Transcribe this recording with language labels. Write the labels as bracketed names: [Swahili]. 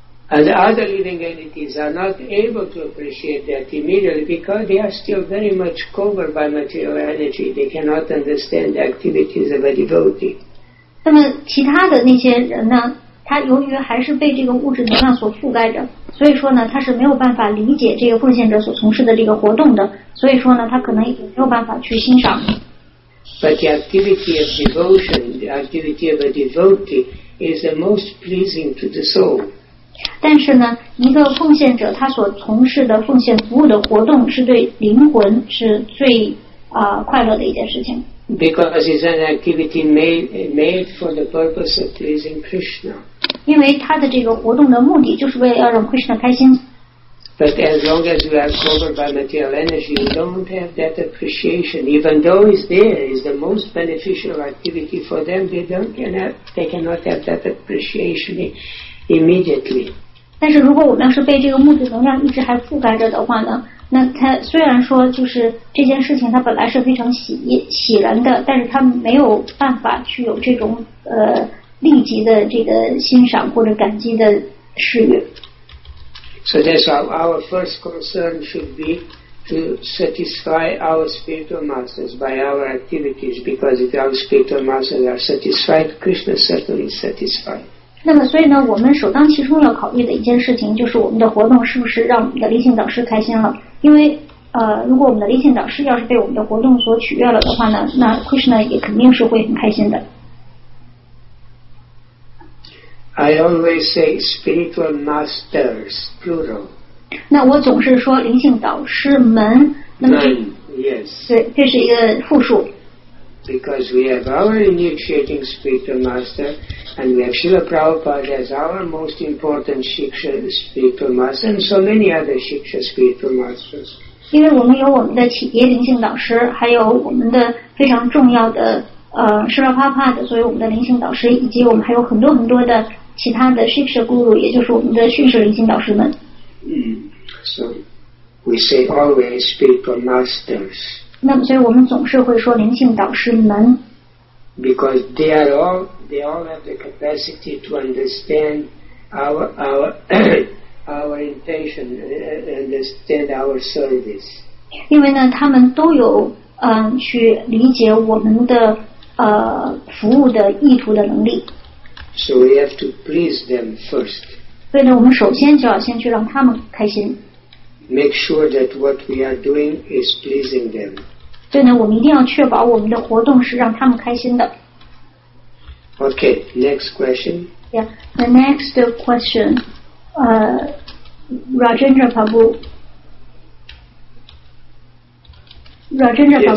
[English] And other living entities are not able to appreciate that immediately because they are still very much covered by material energy. They cannot understand the activities of a devotee. [Chinese] 那么其他的那些人呢？他由于还是被这个物质能量所覆盖着，所以说呢，他是没有办法理解这个奉献者所从事的这个活动的，所以说呢，他可能也没有办法去欣赏。 [English] But the activity of devotion, the activity of a devotee, is the most pleasing to the soul. [Chinese] 但是呢，一个奉献者他所从事的奉献服务的活动是对灵魂是最快乐的一件事情。 [English] Because it's an activity made for the purpose of pleasing Krishna. [Chinese] 因为他的这个活动的目的就是为了要让 Krishna 开心。 [English] But as long as we are covered by material energy, we don't have that appreciation. Even though it's there, it's the most beneficial activity for them. They cannot have that appreciation immediately. [Chinese] 但是如果我们要是被这个物质能量一直还覆盖着的话呢？那他虽然说就是这件事情，他本来是非常喜人的，但是他没有办法去有这种立即的这个欣赏或者感激的事业。 [English] So that's our first concern should be to satisfy our spiritual masters by our activities, because if our spiritual masters are satisfied, Krishna certainly is satisfied. [Chinese] 那么所以呢，我们首当其冲要考虑的一件事情就是我们的活动是不是让我们的灵性导师开心了，因为如果我们的灵性导师要是被我们的活动所取悦了的话呢，那 Krishna 也肯定是会很开心的。 [English] I always say spiritual masters plural. [Chinese] 那我总是说灵性导师们，那么 [English] yes. [Chinese] 对，这是一个复数。 [English] Because we have our initiating spiritual master, and we have Srila Prabhupada as our most important Shiksha spiritual master, and so many other Shiksha spiritual masters. [Chinese] 因为我们有我们的企业灵性导师，还有我们的非常重要的Srila Prabhupada作为我们的灵性导师，以及我们还有很多很多的其他的 Shiksha guru， 也就是我们的 Shiksha灵性导师们。 [English] So we say always spiritual masters. [Chinese] 那么所以我们总是会说灵性导师们。 [English] Because they all have the capacity to understand our intention, understand our service. [Chinese] 因为呢他们都有去理解我们的服务的意图的能力。 [English] So we have to please them first. [Chinese] 所以呢我们首先就要先去让他们开心。 [English] Make sure that what we are doing is pleasing them. [Chinese] 所以呢，我们一定要确保我们的活动是让他们开心的。 [English] Okay, next question. Yeah, the next question, Rajendra Prabhu. Rajendra Prabhu,、